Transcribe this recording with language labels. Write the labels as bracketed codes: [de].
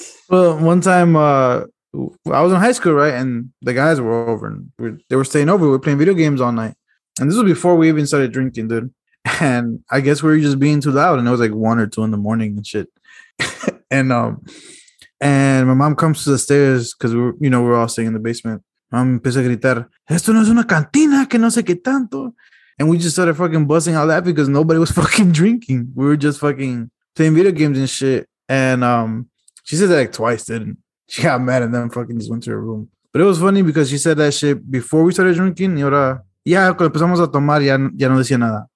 [en] Well, one time, I was in high school, right? And the guys were over and they were staying over. We were playing video games all night. And this was before we even started drinking, dude. And I guess we were just being too loud. And it was like 1 or 2 in the morning and shit. and my mom comes to the stairs because we're all staying in the basement. [es] Mom empieza a gritar, esto no es una cantina que no sé qué tanto. [en] And we just started fucking busting out laughing because nobody was fucking drinking. We were just fucking playing video games and shit. And she said that like twice, dude. She got mad and then fucking just went to her room. But it was funny because she said that shit before we started drinking. [es] Y ahora, ya cuando empezamos a tomar, ya no decía nada.